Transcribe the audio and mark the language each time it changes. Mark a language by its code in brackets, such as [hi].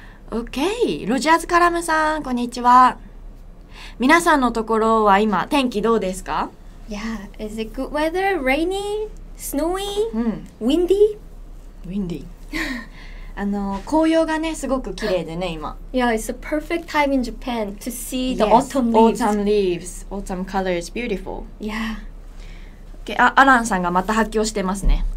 [en] OK。 [ja] ロジャーズカラムさん、こんにちは。皆さんのところは今天気どうですか？ [en] Yeah. Is it good weather? Rainy? Snowy? Windy? Windy. [ja] あの紅葉がねすごく綺麗でね今。 [en] Yeah, it's a perfect time in Japan to see the autumn leaves. Autumn leaves, autumn color is beautiful. Yeah. [ja] Okay, あアランさんがまた発狂してますね。